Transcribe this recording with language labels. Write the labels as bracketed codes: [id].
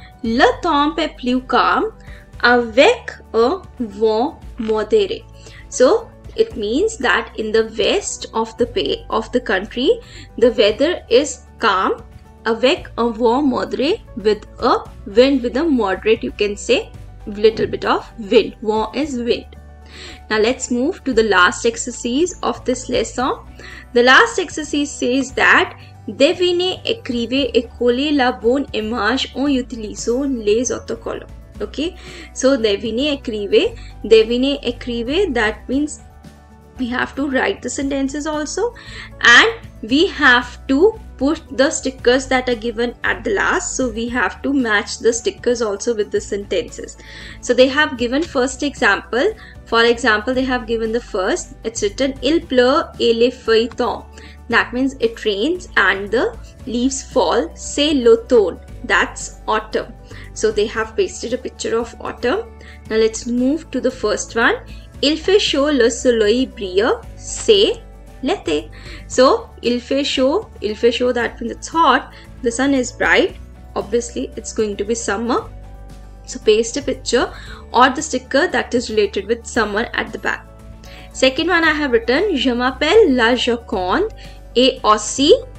[fr] Le temps est plus calme avec un vent modéré. [en] So it means that in the west of the pay of the country, the weather is calm [fr] avec un vent modéré, [en] with a wind, with a moderate, you can say little bit of wind. Vent is wind. Now let's move to the last exercise of this lesson. The last exercise says that [fr] devinez, écrivez et collez la bonne image en utilisant les autocollants. [en] Okay, so [fr] devinez, écrivez, [en] that means we have to write the sentences also and we have to put the stickers that are given at the last, so we have to match the stickers also with the sentences. So they have given first example. For example, they have given the first, it's written [fr] il pleut et les feuilles tombent, [en] that means it rains and the leaves fall. [fr] C'est l'automne, [en] that's autumn. So they have pasted a picture of autumn. Now let's move to the first one. [fr] Il fait chaud, le soleil brille, c'est l'été. [en] So [fr] il fait chaud, [en] that means it's hot, the sun is bright, obviously it's going to be summer. So paste a picture or the sticker that is related with summer at the back. Second one I have written, [fr] je m'appelle la Joconde et aussi.